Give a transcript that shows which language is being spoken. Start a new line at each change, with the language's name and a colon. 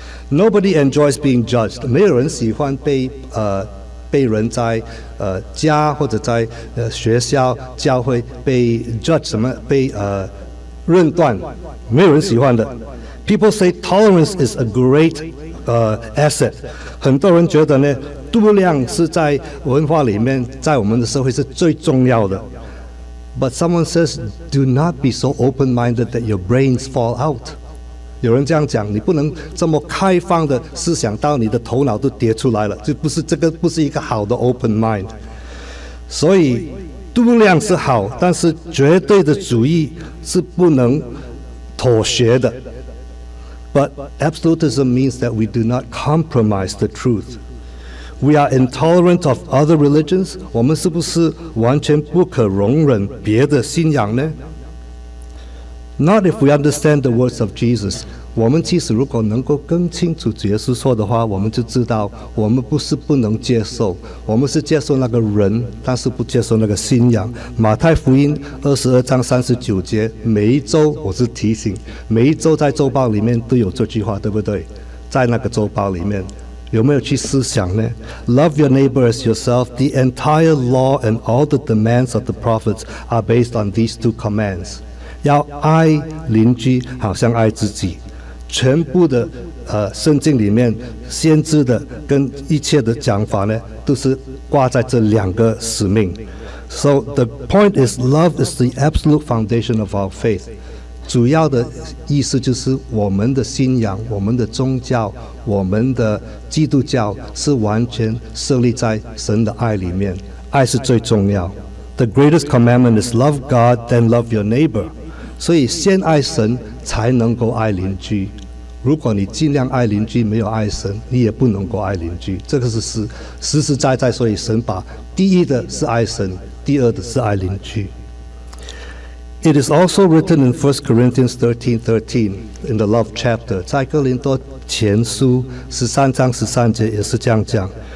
English: Nobody enjoys being judged.
Chinese: 没有人喜欢被人在家或者在学校教会被 judge 什么被论断，没有人喜欢的。
English: People say tolerance is a great asset。
Chinese: 很多人觉得呢，度量是在文化里面，在我们的社会是最重要的。
English: But someone says, do not be so open-minded that your brains fall out。
Chinese: 有人这样讲，你不能这么开放的思想到你的头脑都跌出来了，就不是这个，不是一个好的 open mind。所以度量是好，但是绝对的主义是不能妥协的。
English: But absolutism means that we do not compromise the truth. We are intolerant of other religions.
Chinese: 我们是不是完全不可容忍别的信仰呢？
English: Not if we understand the words of Jesus.
Chinese: 我们其实如果能够更清楚耶稣说的话，我们就知道我们不是不能接受，我们是接受那个人，但是不接受那个信仰。马太福音22:39，每一周我是提醒，每一周在周报里面都有这句话，对不对？在那个周报里面有没有去思想呢？
English: Love your neighbor as yourself. The entire law and all the demands of the prophets are based on these two commands.
Chinese: 要爱邻居好像爱自己。全部的圣经里面先知的跟一切的讲法呢，都是挂在这两个使命。
English: So the point is, love is the absolute foundation of our faith.
Chinese: 主要的意思就是我们的信仰、我们的宗教、我们的基督教是完全设立在神的爱里面，爱是最重要。
English: The greatest commandment is love God, then love your neighbor.
Chinese: 所以先爱神才能够爱邻居，如果你尽量爱邻居没有爱神，你也不能够爱邻居，这个是实实在在。所以神把第一的是爱神，第二的是爱邻居。
English: It is also written in 1 Corinthians 13:13 in the love chapter，
Chinese: 在哥林多前书13:13也是这样讲。